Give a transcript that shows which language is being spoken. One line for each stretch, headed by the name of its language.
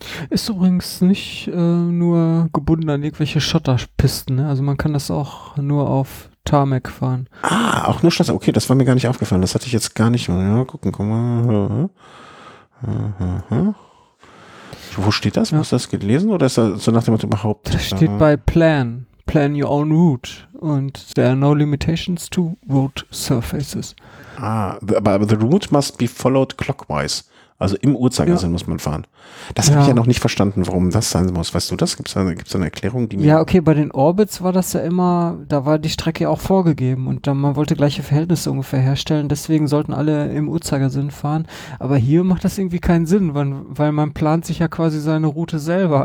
German: Ist übrigens nicht nur gebunden an irgendwelche Schotterpisten. Ne? Also man kann das auch nur auf Tarmac fahren. Ah, auch nur Schotter. Okay, das war mir gar nicht aufgefallen. Das hatte ich jetzt gar nicht. Ja, gucken, guck mal. Wo steht das? Ja. Hast du das gelesen? Oder ist das so nach dem Motto überhaupt? Das steht bei Plan.
English: Plan your own route.
German: Und
English: there are no limitations to road surfaces.
German: Ah, aber
English: the route must be followed clockwise.
German: Also im Uhrzeigersinn muss man fahren. Das habe ich ja noch nicht verstanden, warum das sein muss. Weißt du das? Gibt's da eine Erklärung? Die mir okay, bei den Orbits war das ja immer, da war die Strecke auch vorgegeben und dann, man wollte gleiche Verhältnisse ungefähr herstellen. Deswegen sollten alle im Uhrzeigersinn fahren. Aber hier macht das irgendwie keinen Sinn, weil man plant sich ja quasi seine Route selber.